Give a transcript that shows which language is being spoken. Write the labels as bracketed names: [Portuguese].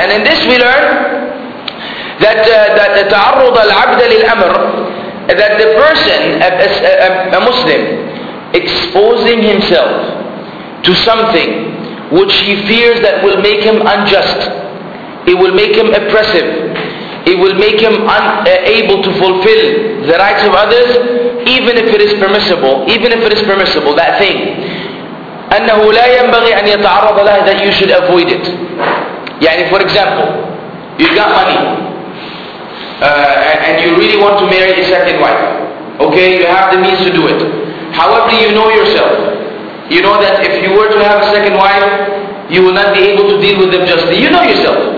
[English] And in this we learn that [Arabic] تعرض العبد للأمر, [English] that the person, a Muslim, exposing himself to something which he fears that will make him unjust, it will make him oppressive, it will make him unable to fulfill the rights of others, even if it is permissible, that thing. [Arabic] أنه لا ينبغي أن يتعرض له, [English] that you should avoid it. يعني for example, you got money, and you really want to marry a second wife. Okay, you have the means to do it. However, you know yourself. You know that if you were to have a second wife, you will not be able to deal with them justly. You know yourself.